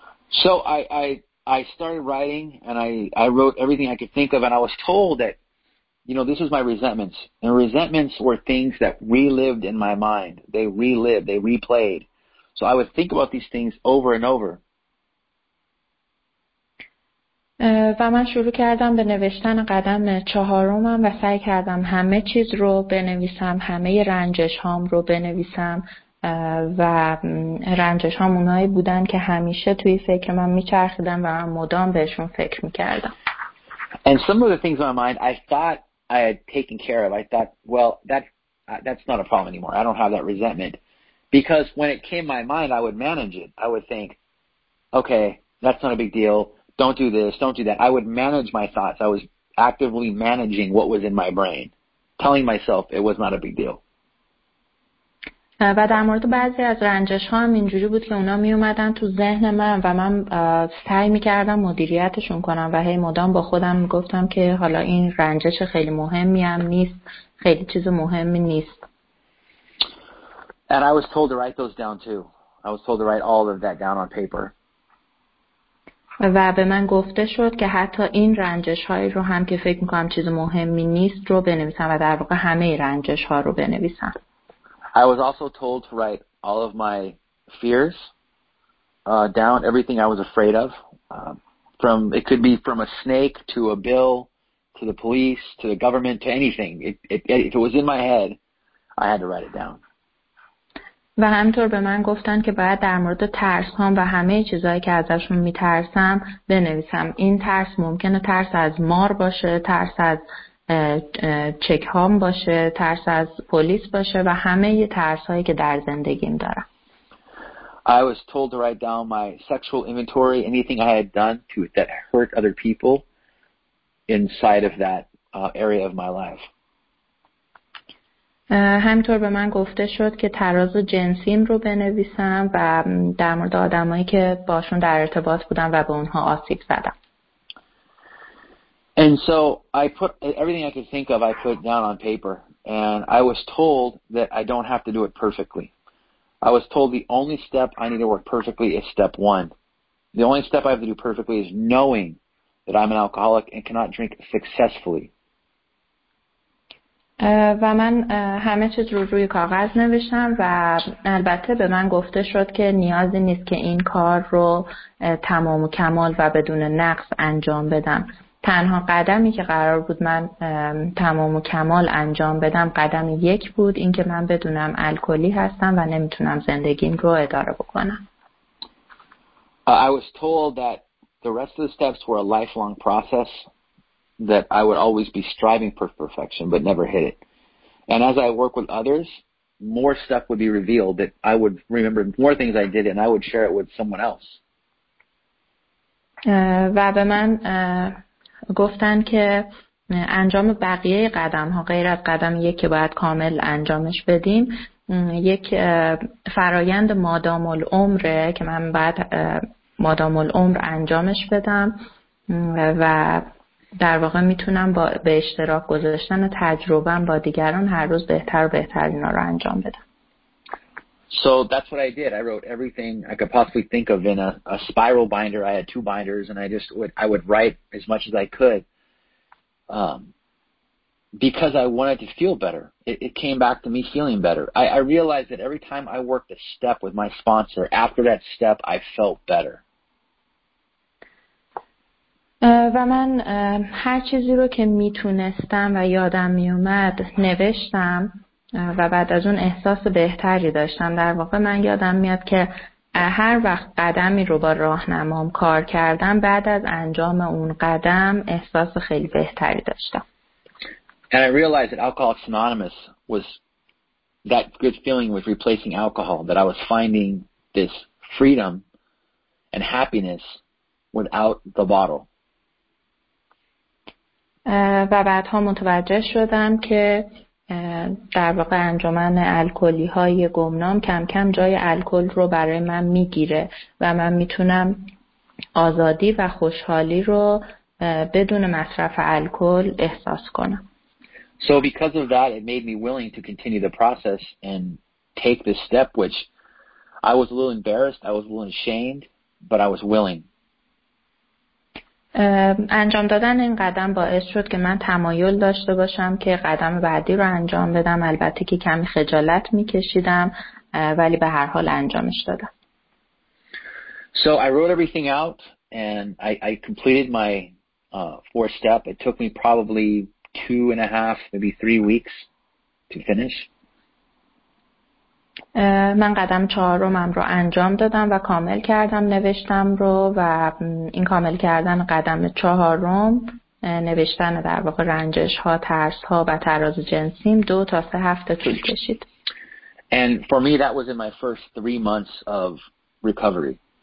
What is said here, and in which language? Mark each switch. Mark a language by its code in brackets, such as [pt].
[en] So I started writing and I wrote everything I could think of and I was told that You know, this is my resentments. And resentments were things that relived in my mind. They relived, they replayed. So I would think about these things over and over. [fa] و من شروع کردم به نوشتن قدم چهارمم و سعی کردم همه چیز رو بنویسم، همه رنجش هام رو بنویسم و رنجش هام اونایی بودن که همیشه توی فکر من میچرخیدن و من مدام بهشون فکر میکردم. [en] And some of the things in my mind I thought I had taken care of. I thought, well, that's not a problem anymore. I don't have that resentment. Because when it came my mind, I would manage it. I would think, okay, that's not a big deal. Don't do this, don't do that. I would manage my thoughts. I was actively managing what was in my brain, telling myself it was not a big deal. [fa] و در مورد بعضی از رنجش ها هم اینجوری بود که اونا می اومدن تو ذهن من و من سعی می کردم مدیریتشون کنم و هی مدام با خودم می گفتم که حالا این رنجش خیلی مهمی هم نیست، خیلی چیز مهمی نیست. [en] And I was told to write those down too. I was told to write all of that down on paper. [fa] و به من گفته شد که حتی این رنجش های رو هم که فکر می کنم چیز مهمی نیست رو بنویسم و در واقع همه رنجش ها رو بنویسم. [en] I was also told to write all of my fears down, everything I was afraid of. From it could be from a snake to a bill to the police to the government to anything. If it was in my head, I had to write it down. [fa] و همینطور به من گفتن که باید در مورد ترس هم و همه چیزهایی که ازشون میترسم بنویسم. این ترس ممکنه ترس از مار باشه، ترس از چک هام باشه، ترس از پلیس باشه و همه ی ترس هایی که در زندگیم دارم. [en] I was told to write down my sexual inventory, anything I had done to it that hurt other people inside of that area of my life. [fa] همینطور به من گفته شد که تراز جنسیم رو بنویسم و در مورد آدمایی که باشون در ارتباط بودم و به اونها آسیب زدم. [en] And so I put everything I could think of, I put down on paper, and I was told that I don't have to do it perfectly. I was told the only step I need to work perfectly is step one. The only step I have to do perfectly is knowing that I'm an alcoholic and cannot drink successfully. [fa] و من همه چیز رو روی کاغذ نوشتم و البته به من گفته شد که نیازی نیست که این کار رو تمام و کمال و بدون نقص انجام بدم. تنها قدمی که قرار بود من تمام و کمال انجام بدم قدم یک بود، این که من بدونم الکلی هستم و نمیتونم زندگیم رو اداره بکنم. [en] I was told that the rest of the steps were a lifelong process, that I would always be striving for perfection but never hit it. And as I work with others, more stuff would be revealed that I would remember more things I did and I would share it with someone else. [fa] و به من گفتن که انجام بقیه قدم ها غیر از قدم یک که باید کامل انجامش بدیم یک فرایند مادام العمره که من بعد مادام العمر انجامش بدم و در واقع میتونم با به اشتراک گذاشتن تجربه‌ام با دیگران هر روز بهتر و بهتر اینا رو انجام بدم. [en] So that's what I did. I wrote everything I could possibly think of in a spiral binder. I had two binders and I would write as much as I could. Because I wanted to feel better. It came back to me feeling better. I realized that every time I worked a step with my sponsor, after that step I felt better. [fa] و من هر چیزی رو که میتونستم و یادم میومد نوشتم و بعد از اون احساس بهتری داشتم. در واقع من یادم میاد که هر وقت قدمی رو با راهنمام کار کردم بعد از انجام اون قدم احساس خیلی بهتری داشتم. [en] And I realized that Alcoholics Anonymous was that good feeling with replacing alcohol, that I was finding this freedom and happiness without the bottle. [fa] و بعدها متوجه شدم که در واقع انجمن الکلی های گمنام کم کم جای الکل رو برای من میگیره و من میتونم آزادی و خوشحالی رو بدون مصرف الکل احساس کنم. [en] So because of that it made me willing to continue the process and take this step which I was a little embarrassed, I was a little ashamed, but I was willing. [fa] انجام دادن این قدم باعث شد که من تمایل داشته باشم که قدم بعدی رو انجام بدم. البته که کمی خجالت میکشیدم ولی به هر حال انجامش دادم. [en] So I wrote everything out and I completed my fourth step. It took me probably 2.5, maybe 3 weeks to finish. [fa] من قدم چهارمم رو انجام دادم و کامل کردم نوشتم رو و این کامل کردن قدم چهارم نوشتن در واقع رنجش ها، ترس ها و تراز جنسیم 2 تا 3 هفته طول کشید. [en] And for me that was in my first 3 months of recovery.